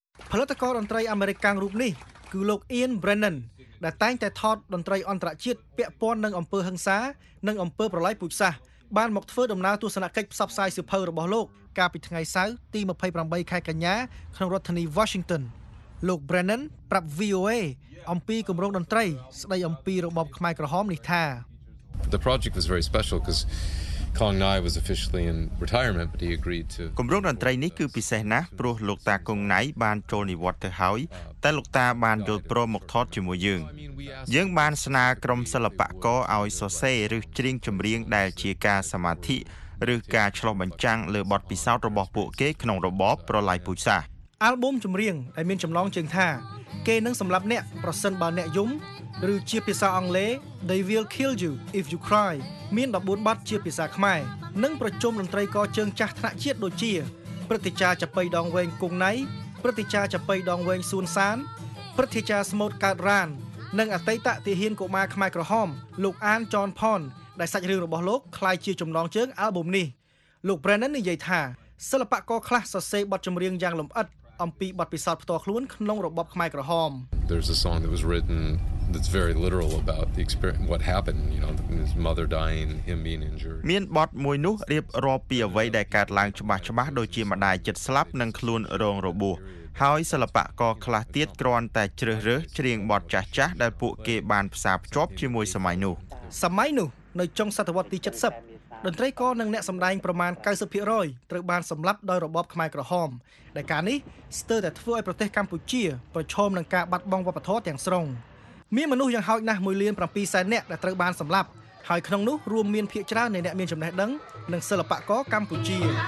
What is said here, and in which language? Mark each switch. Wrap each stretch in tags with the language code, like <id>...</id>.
<km>ផលិតករតន្ត្រីអាមេរិកកាំងរូបនេះគឺលោក Ian Brennan ដែលតែងតែថតតន្ត្រីអន្តរជាតិពាក់ព័ន្ធនឹងអំពើហិង្សានិងអំពើប្រល័យពូជសាសន៍បានមកធ្វើដំណើរទស្សនកិច្ចផ្សព្វផ្សាយសៀវភៅរបស់លោកកាលពីថ្ងៃសៅរ៍ទី28ខែកញ្ញាក្នុងរដ្ឋធានី Washington លោក Brennan ប្រាប់ VOA អំពីកម្រងតន្ត្រីស្ដីអំពីរបបខ្មែរក្រហមនេះថា</km> <en>The project was very special becauseKong Nai was officially in retirement but he agreed to</en> <km>គម្រោងតន្ត្រីនេះគឺពិសេសណាស់ព្រោះលោកតាគង់ណៃបានចូលនិវត្តន៍ទៅហើយតែលោកតាបានយល់ព្រមមកថតជាមួយយើងយើងបានស្នើក្រុមសិល្បករឲ្យសរសេរឬច្រៀងចម្រៀងដែលជាការសមាធិឬការឆ្លុះបញ្ចាំងលើបទពិសោធន៍របស់ពួកគេក្នុងរបបប្រល័យពូជសាសន៍ Album ចម្រៀងដែលមានចំណងជើងថាគេនឹងសម្លាប់អ្នកប្រសិនបើអ្នកយំឬជាភាសាអង់គ្លេស</km> <en>They will kill you if you cry</en> <km>មាន14បទជាភាសាខ្មែរនិងប្រជុំតន្ត្រីករជើងចាស់ថ្នាក់ជាតិដូចជាព្រឹទ្ធាចារ្យចាប៉ីដងវែងគង់ណៃព្រឹទ្ធាចារ្យចាប៉ីដងវែងស៊ុនសាន ព្រឹទ្ធាចារ្យស្មូតកើតរ៉ាននិងអតីតទាហានកុមារខ្មែរក្រហមលោកអានចនផនដែលសាច់រឿងរបស់លោកខ្លាយជាចំណងជើង album នេះលោក Brennan និយាយថាសិល្បករខ្លះសរសេរបទចម្រៀងយ៉ាងលម្អិតអំពីបទពិសោធន៍ផ្ទាល់ខ្លួនក្នុងរបបខ្មែរក្រហម</km> <en>There's a song that was written that's very literal about the experience what happened you know his mother dying him being injured</en> <km>មានបទមួយនោះរៀបរាប់ពីអ្វីដែលកើតឡើងច្បាស់ច្បាស់ដូចជាម្ដាយចិត្តស្លាប់និងខ្លួនរងរបួសហើយសិល្បករខ្លះទៀតគ្រាន់តែជ្រើសរើសច្រៀងបទចាស់ចាស់ដែលពួកគេបានផ្សារភ្ជាប់ជាមួយសម័យនោះ សម័យនោះនៅចុងសតវត្សទី70តន្ត្រីករនិងអ្នកសម្ដែងប្រមាណ 90% ត្រូវបានសម្លាប់ដោយរបបខ្មែរក្រហមដែលការនេះស្ទើរតែធ្វើឲ្យប្រទេសកម្ពុជាប្រឈមនឹងការបាត់បង់វប្បធម៌ទាំងស្រុងមានមនុស្សយ៉ាងហោចណាស់1,700,000នាក់ដែលត្រូវបានសម្លាប់ហើយក្នុងនោះរួមមានភាគច្រើននៃអ្នកមានចំណេះដឹងនិងសិល្បករកម្ពុជា</km>